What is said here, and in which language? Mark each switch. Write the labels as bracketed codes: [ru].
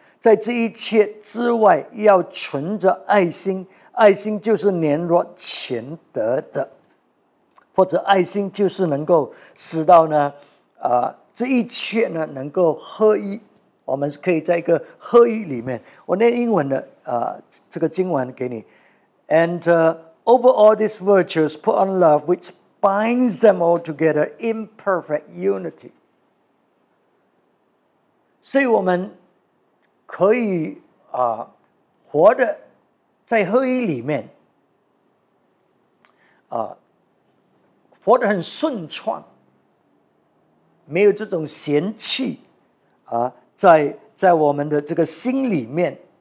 [zh] 在这一切之外，要存着爱心，爱心就是黏着钱得的，或者爱心就是能够使到呢这一切呢能够合一，我们可以在一个合一里面。我念英文的这个经文给你。 [en] And over all these virtues put on love, which binds them all together in perfect unity. [zh] 所以我们可以活得在合一里面活得很顺畅，没有这种嫌弃在我们的这个心里面。